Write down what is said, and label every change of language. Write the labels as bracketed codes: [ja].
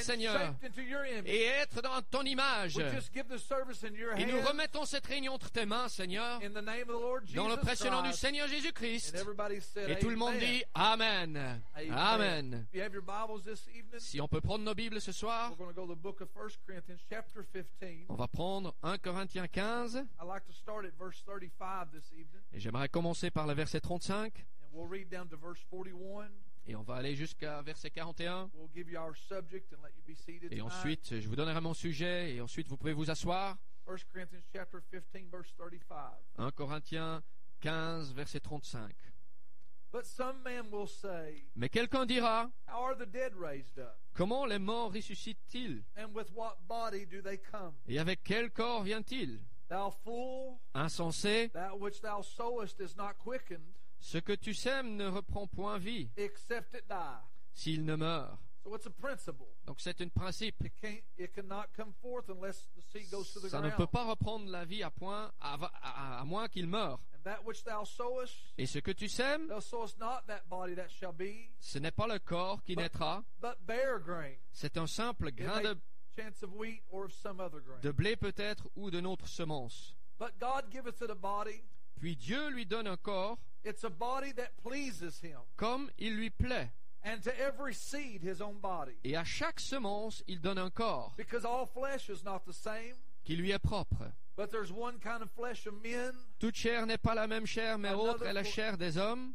[fr] Seigneur, [en] shaped into your image. [fr] Et être dans ton image. [en] We just give the service in your [fr] et [en] hands, [fr] nous remettons cette réunion entre tes mains, Seigneur, [en] in the name of the Lord Jesus [fr] dans le précieux [en] Christ. [fr] Nom du Seigneur Jésus-Christ. [en] And everybody said, [fr] et tout le monde dit Amen. Amen. Amen. [en] If you have your Bibles this evening, [fr] si on peut prendre nos Bibles ce soir, [en] we're going to go to the book of 1 Corinthians, chapter 15. [fr] On va prendre 1 Corinthiens 15. [en] I'd like to start at verse 35 this evening. [fr] Et j'aimerais commencer par le verset 35. [en] And we'll read down to verse 41. [fr] Et on va aller jusqu'à verset 41. [en] We'll give you our subject and let you be seated [fr] et [en] tonight. [fr] Ensuite, je vous donnerai mon sujet et ensuite vous pouvez vous asseoir. [en] 1 Corinthians, chapter 15, verse 35. [fr] 1 Corinthiens 15, verset 35. [en] But some man will say, [fr] Mais quelqu'un dira, [en] How are the dead raised up? [fr] Comment les morts ressuscitent-ils? [en] And with what body do they come? [fr] Et avec quel corps vient-ils? [en] Thou fool, [fr] insensé, [en] that which thou sowest is not quickened, [fr] ce que tu sèmes ne reprend point vie, [en] except it die, [fr] s'il ne meurt. [en] So it's a principle. [fr] Donc c'est un principe. [en] It cannot come forth unless the seed goes to the ground. [fr] Ça ne peut pas reprendre la vie à moins qu'il meure. [en] And that which thou sowest, [fr] et ce que tu sèmes, [en] thou sowest not that body that shall be, [fr] ce n'est pas le corps qui naîtra, [en] but bare grain. [fr] C'est un simple grain de, [en] chance of wheat or of some other grain. [fr] De blé peut-être ou d'une autre semence. [en] But God giveth it a body, [fr] puis Dieu lui donne un corps, [en] it's a body that pleases him, [fr] comme il lui plaît. [en] And to every seed his own body. [fr] Et à chaque semence, il donne un corps. [en] Because all flesh is not the same. [fr] Qui lui est propre. [en] But there's one kind of flesh of men. [fr] Toute chair n'est pas la même chair, mais autre est la chair des hommes.